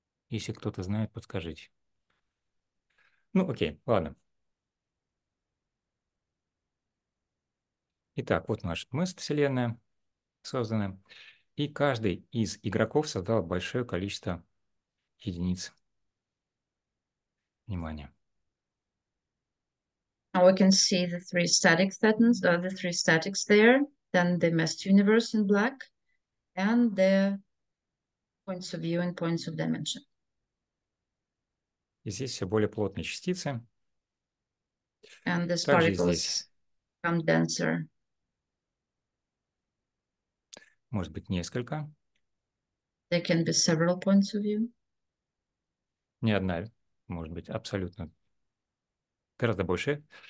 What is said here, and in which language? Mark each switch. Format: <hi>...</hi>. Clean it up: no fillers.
<ru>Если кто-то знает, подскажите. Ну, окей, ладно. Итак, вот наш мест вселенная создана. И каждый из игроков создал большое количество единиц. Внимание.</ru> <en>Now we can see the three static thetans, the three statics there, then the mest universe in black, and the points of view and points of dimension.</en> <ru>И здесь все более плотные частицы.</ru> <en>And the</en> <ru>Также</ru> <en>particles become denser.</en> <ru>Может быть, несколько.</ru> <en>There can be several points of view.</en> <ru>Не одна, может быть, абсолютно. Гораздо больше.</ru>